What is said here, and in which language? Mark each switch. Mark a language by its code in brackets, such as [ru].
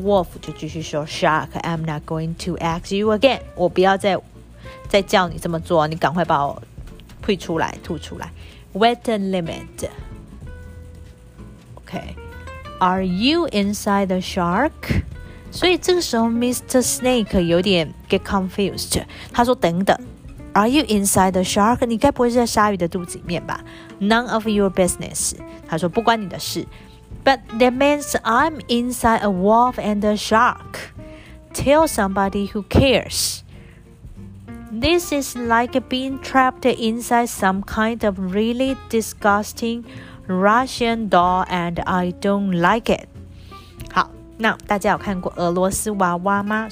[en] Wolf [zh] 就继续说 [en] Shark, I'm not going to ask you again. [zh] 我不要再叫你这么做，你赶快把我吐出来，吐出来。 [en] Wait a minute. OK. Are you inside the shark? [zh] 所以这个时候 [en] Mr. Snake 有点 get confused. [zh] 他说等等， [en] Are you inside the shark? [zh] 你该不会是在鲨鱼的肚子里面吧？ [en] None of your business. [zh] 他说不关你的事。 [en] But that means I'm inside a wolf and a shark. Tell somebody who cares. This is like being trapped inside some kind of really disgusting Russian doll, and I don't like it. [zh] 好，那大家有看过俄罗斯娃娃吗？